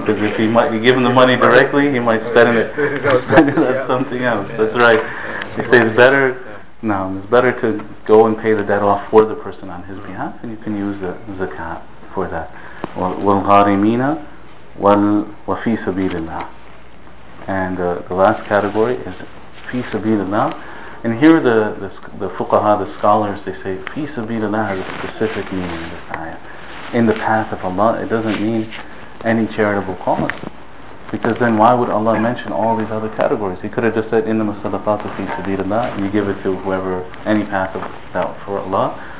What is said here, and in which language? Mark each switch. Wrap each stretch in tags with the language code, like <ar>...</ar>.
<en>Because if he might be given the money directly, he might spend it. That's something else. That's right. He says it's better to go and pay the debt off for the person on his behalf, and you can use the zakat for that.</en> <ar>والغارمين وفي سبيل الله.</ar> <en>And the last category is</en> <ar>في سبيل الله.</ar> <en>And here the fuqaha, the scholars, they say</en> <ar>في سبيل الله</ar> <en>has a specific meaning in this ayah. In the path of Allah, it doesn't mean any charitable cause. Because then why would Allah mention all these other categories? He could have just said, in the masadaqat fi sabilillah, and you give it to whoever, any path of that for Allah.</en>